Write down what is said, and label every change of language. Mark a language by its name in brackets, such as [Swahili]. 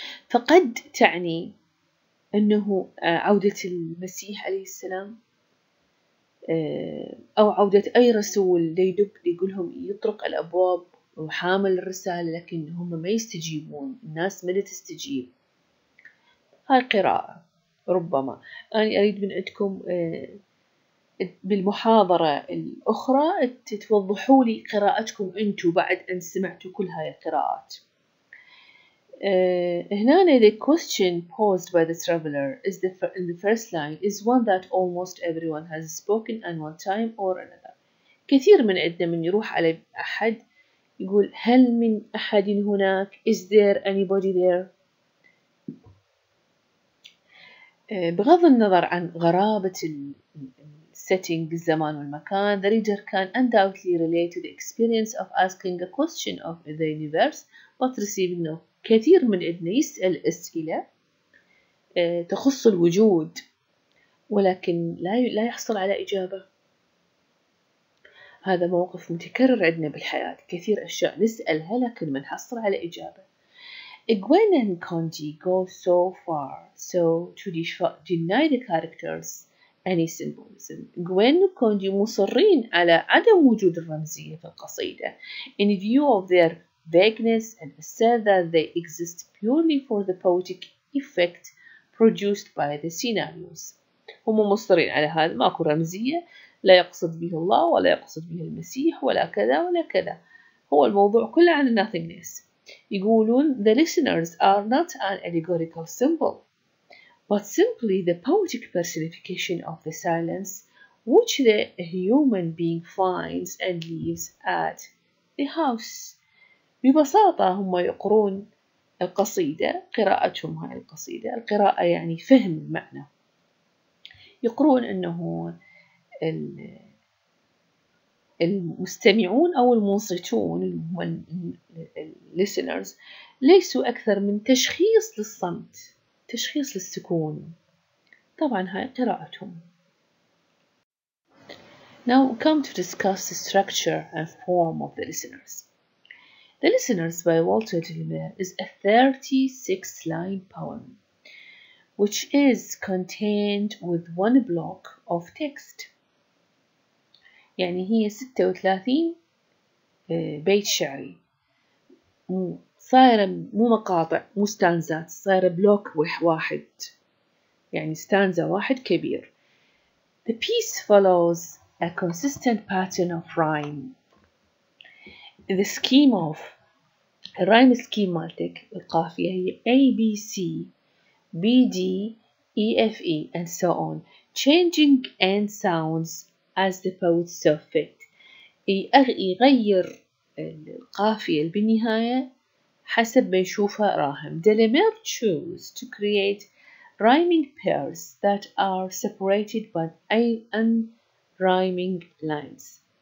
[Arabic] فقد تعني أنه عودة المسيح عليه السلام أو عودة أي رسول ليدق يقولهم يطرق الأبواب وحامل الرسالة, لكن هم ما يستجيبون, الناس ما تستجيب. هاي قراءة ربما أنا أريد من عندكم بالمحاضرة الأخرى تتوضحوا لي قراءتكم أنتوا بعد أن سمعتوا كل هاي القراءات. [English] هنا the question posed by the traveler is the in the first line is one that almost everyone has spoken at one time or another. [Arabic] كثير من عندنا من يروح على أحد يقول هل من أحد هناك؟ [English] Is there anybody there؟ [Arabic] بغض النظر عن غرابة [English] setting [Arabic] الزمان والمكان, [English] the reader can undoubtedly relate to the experience of asking a question of the universe but receiving no. [Arabic] كثير من عندنا يسأل أسئلة تخص الوجود ولكن لا يحصل على إجابة. هذا موقف متكرر عندنا بالحياة, كثير أشياء نسألها لكن ما نحصل على إجابة. [English] إغوين and كونجي go so far so to deny the characters any symbolism. إغوين وكونجي [Arabic] مصرين على عدم وجود الرمزية في القصيدة [English] in view of their vagueness and assert that they exist purely for the poetic effect produced by the scenarios. [Arabic] هم مصرين على هذا, ماكو رمزية, لا يقصد به الله ولا يقصد به المسيح ولا كذا ولا كذا, هو الموضوع كله عن nothingness. [English] يقولون the listeners are not an allegorical symbol but simply the poetic personification of the silence which the human being finds and leaves at the house. [Arabic] ببساطة هم يقرون القصيدة, قراءتهم هاي القصيدة, القراءة يعني فهم المعنى, يقرون أنه المستمعون أو المنصتون listeners ليسوا أكثر من تشخيص للصمت, تشخيص للسكون. طبعا هاي قراءتهم. [English] Now we come to discuss the structure and form of the listeners. The Listeners by Walter de la Mare is a 36-line poem which is contained with one block of text. [Arabic] يعني هي 36 بيت شعري, صايرة مو مقاطع, مو ستانزات, صايرة بلوك واحد, يعني ستانزا واحد كبير. [English] The piece follows a consistent pattern of rhyme. The scheme of [Arabic] الرايم سكيم مالتك القافية هي [English] A, B, C, B, D, E, F, E and so on, changing end sounds as the poet so fit. [Arabic] يغير القافية بالنهاية حسب ما يشوفها راهم. [English] Delamere chose to create rhyming pairs that are separated by unrhyming lines.